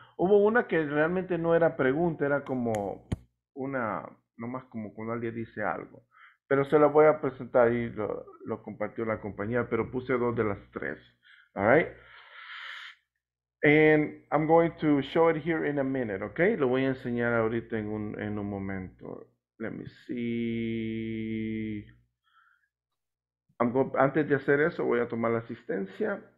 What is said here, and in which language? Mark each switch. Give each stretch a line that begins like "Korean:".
Spanish: Hubo una que realmente no era pregunta, era como una, nomás como cuando alguien dice algo. Pero se la voy a presentar y lo compartió la compañía, pero puse dos de las tres.
English: All right? And I'm going to show it here in a minute, okay?
Spanish: Lo voy a enseñar ahorita en un momento.
English: Let me see.
Spanish: Antes de hacer eso, voy a tomar la asistencia.